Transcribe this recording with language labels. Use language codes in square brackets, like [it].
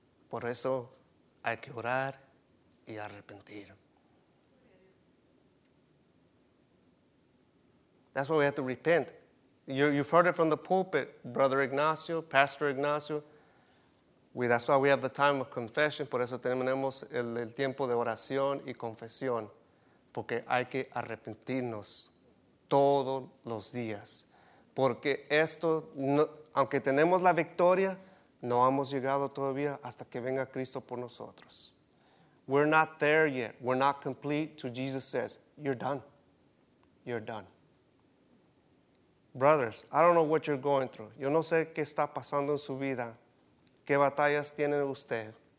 [es] Por eso hay que orar y arrepentir. [en] That's why we have to repent. You've heard it from the pulpit, Brother Ignacio, Pastor Ignacio. That's why we have the time of confession. [es] Por eso tenemos el tiempo de oración y confesión. Porque hay que arrepentirnos todos los días. Porque esto, no, aunque tenemos la victoria, no hemos llegado todavía hasta que venga Cristo por nosotros. [en] We're not there yet. We're not complete. So Jesus says, you're done. You're done. Brothers, I don't know what you're going through. [es] Yo no sé qué está pasando en su vida. ¿Qué batallas tiene usted?